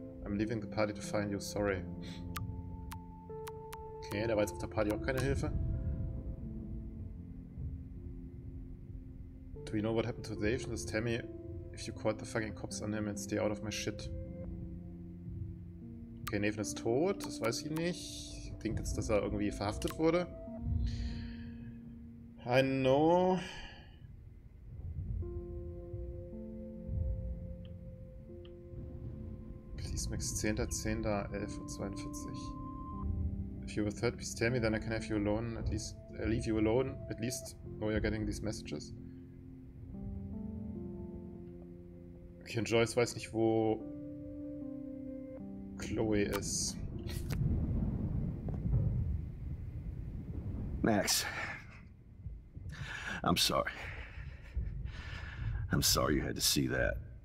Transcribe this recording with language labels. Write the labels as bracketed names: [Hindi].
[English] I'm leaving the party to find you, sorry. [German] Okay, der war jetzt auf der Party auch keine Hilfe. [English] Do you know what happened to Dave? Just tell me if you caught the fucking cops on him and stay out of my shit. [German] Okay, Nathan ist tot, das weiß ich nicht. Ich denke jetzt, dass er irgendwie verhaftet wurde. [English] I know. Please, Max, 10.10.11.42. If you're a third, please tell me, then I can have you alone, at least. I'll leave you alone, at least, while you're getting these messages. [German] Okay, und Joyce weiß nicht, wo Chloe ist. [English] Max. I'm sorry. I'm sorry you had to see that.